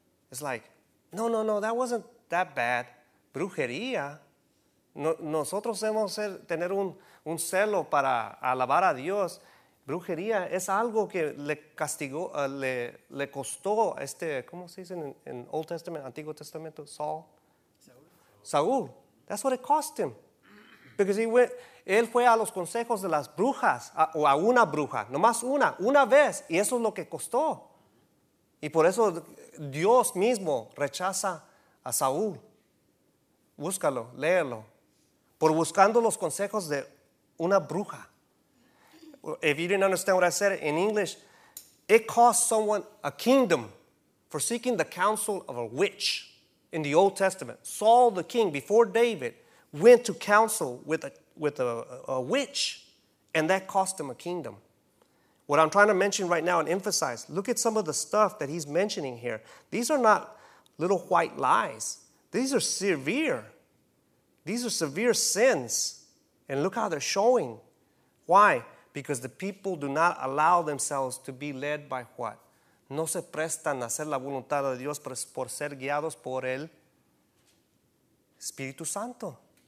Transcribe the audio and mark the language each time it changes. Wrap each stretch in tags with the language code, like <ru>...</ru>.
<en>It's like, no, that wasn't that bad.</en> <es>Brujería. No, nosotros debemos ser, tener un celo para alabar a Dios. Brujería es algo que le castigó, le costó este, ¿cómo se dice en Old Testament, Antiguo Testamento? Saul. Saúl.</es> <en>That's what it cost him.</en> <es>Because él fue a los consejos de las brujas, o a una bruja, nomás una vez, y eso es lo que costó. Y por eso Dios mismo rechaza a Saúl. Búscalo, léelo. Por buscando los consejos de una bruja.</es> <en>If you didn't understand what I said in English, it cost someone a kingdom for seeking the counsel of a witch in the Old Testament. Saul the king, before David, went to counsel with a witch, and that cost him a kingdom. What I'm trying to mention right now and emphasize, look at some of the stuff that he's mentioning here. These are not little white lies. These are severe. These are severe sins. And look how they're showing. Why? Because the people do not allow themselves to be led by what?</en> <es>No se prestan a hacer la voluntad de Dios por ser guiados por el Espíritu Santo.</es>